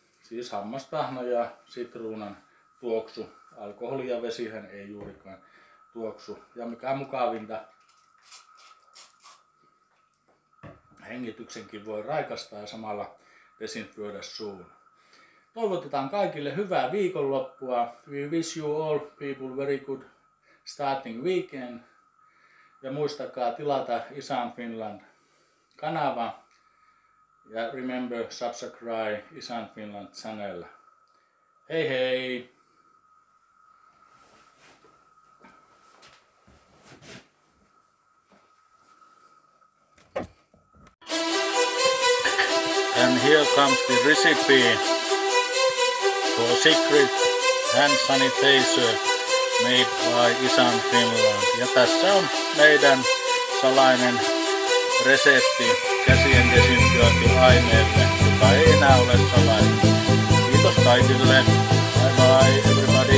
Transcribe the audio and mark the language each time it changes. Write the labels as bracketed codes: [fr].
[fi] Siis hammastahna ja sitruunan tuoksu. Alkoholi ja vesihän ei juurikaan tuoksu. Ja mikä mukavinta, hengityksenkin voi raikastaa ja samalla desinfioida suun. Toivotetaan kaikille hyvää viikonloppua. [en] We wish you all people very good starting weekend. [fi] Ja muistakaa tilata Isan Finland kanava. Ja [en] remember subscribe Isan Finland channel. [fi] Hei hei! [en] And here comes the recipe for secret hand sanitizer made by Isan Finland. [fi] Ja tässä on meidän salainen resepti käsien desinfiointiaineelle, joka ei enää ole salainen. Kiitos kaikille. Bye bye.